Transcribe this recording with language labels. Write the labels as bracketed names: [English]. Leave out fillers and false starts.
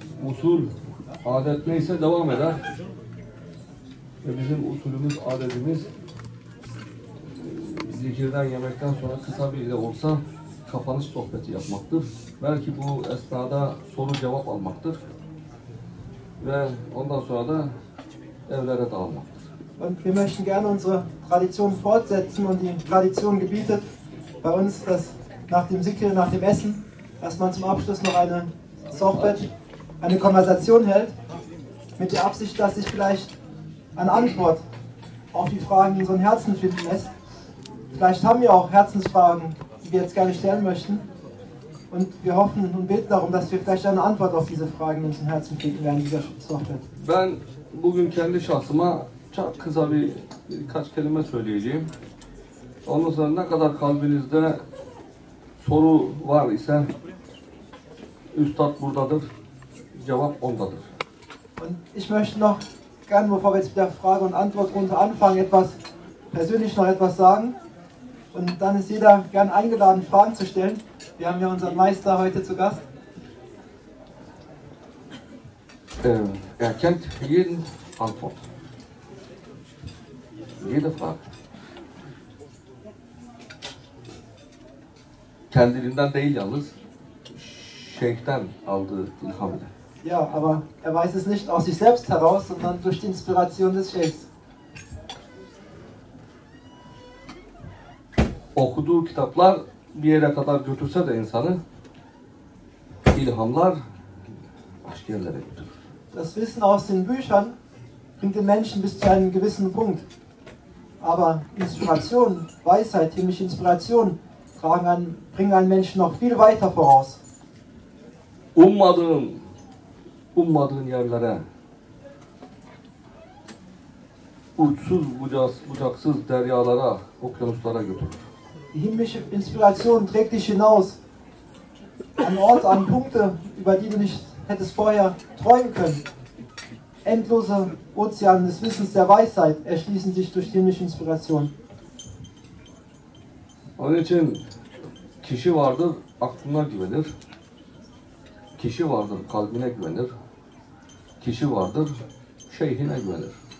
[Turkish] Usul adet neyse devam eder. Ve bizim usulümüz adetimiz zikirden yemekten sonra kısa bir de olsa kapanış sohbeti yapmaktır. Belki bu esnada soru cevap almaktır. Ve ondan sonra da evlere dağılmaktır. [German] Wir möchten gerne unsere Tradition fortsetzen und die Tradition gebietet bei uns, dass nach dem Zikir, nach dem Essen, dass man zum Abschluss noch eine Sohbet, eine Konversation hält, mit der Absicht, dass sich vielleicht eine Antwort auf die Fragen in unseren Herzen finden lässt. Vielleicht haben wir auch Herzensfragen, die wir jetzt gerne stellen möchten. Und wir hoffen und beten darum, dass wir vielleicht eine Antwort auf diese Fragen in unseren Herzen finden werden, dieser Sohbet. [Turkish] Ben bugün kendi şahsıma çok kısa birkaç kelime söyleyeceğim. Ondan sonra ne kadar kalbinizde soru var ise üstad buradadır. Cevap ondadır. [German] Und ich möchte noch gerne, bevor wir jetzt mit der Frage und Antwort runter anfangen, etwas persönlich noch etwas sagen. Und dann ist jeder gern eingeladen, Fragen zu stellen. Wir haben ja unseren Meister heute zu Gast. Er kennt jeden Antwort. Jede Frage. [Turkish] Kendiliğinden değil yalnız, Şeyh'ten aldığı ilham ile. [German] Ja, aber weiß es nicht aus sich selbst heraus, sondern durch die Inspiration des Şeyhs. [Turkish] Okuduğu kitaplar bir yere kadar götürse de insanı, ilhamlar başka yerlere götürür. [German] Das Wissen aus den Büchern bringt den Menschen bis zu einem gewissen Punkt. Aber Inspiration, Weisheit, himmlische Inspiration, bringen einen Menschen noch viel weiter voraus. [Turkish] Ummadığın yerlere, uçsuz bucaksız deryalara, okyanuslara götürür. [German] Die himmlische Inspiration trägt dich hinaus an Ort, an Punkte, über die du nicht hättest vorher träumen können. Endlose Ozean des Wissens, der Weisheit erschließen sich durch die himmlische Inspiration. [Turkish] Onun için kişi vardır, aklına güvenir. Kişi vardır, kalbine güvenir. Kişi vardır, şeyhine güvenir.